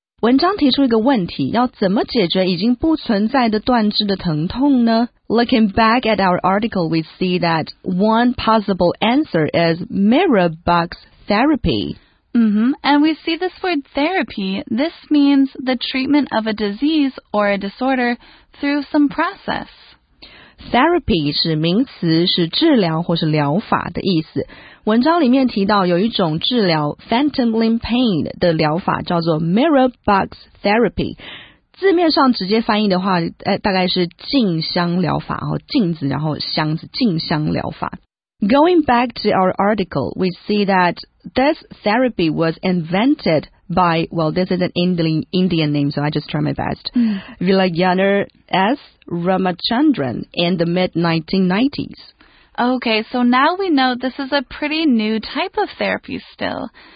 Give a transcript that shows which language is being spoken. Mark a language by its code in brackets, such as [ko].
[zh] 文章提出一个问题，要怎么解决已经不存在的断肢的疼痛呢？ [en] Looking back at our article, we see that one possible answer is mirror box therapy. And we see this word therapy. This means the treatment of a disease or a disorder through some process. [zh] Therapy 是名词，是治疗或是疗法的意思。文章里面提到有一种治疗 phantom limb pain 的疗法叫做 mirror box therapy。字面上直接翻译的话，大概是镜箱疗法，然后镜子，然后箱子，镜箱疗法。 [en] Going back to our article, we see that this therapy was invented by, well, this is an Indian name, so I just try my best, Vilayana S. Ramachandran in the mid-1990s. Okay, so now we know this is a pretty new type of therapy still.